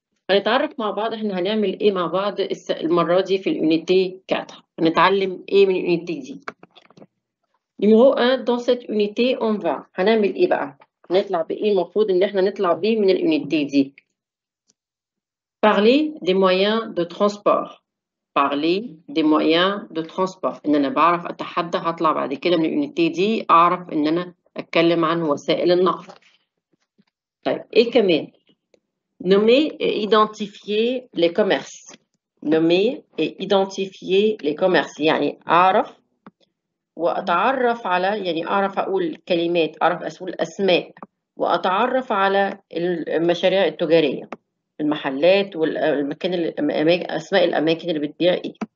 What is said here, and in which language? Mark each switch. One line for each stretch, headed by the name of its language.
Arabic: هنتعرف مع بعض احنا هنعمل ايه مع بعض المرة دي في اليونيتي 4، هنتعلم ايه من اليونيتي دي. نيميرو 1، دون سيت يونيتي اون فا، هنعمل ايه بقى؟ هنطلع بايه المفروض ان احنا نطلع بيه من اليونيتي دي؟
French: Parler des moyens de transport. Parler des moyens de transport.
Arabic: إن أنا بعرف أتحدث، هطلع بعد كده من الأونيتي دي أعرف إن أنا أتكلم عن وسائل النقل. طيب إيه كمان؟
French: Nommer et identifier les commerces. Nommer et identifier les commerces.
Arabic: يعني أعرف وأتعرف على، يعني أعرف أقول كلمات، أعرف أقول أسماء وأتعرف على المشاريع التجارية، المحلات والأماكن، أسماء الأماكن اللي بتبيع إيه.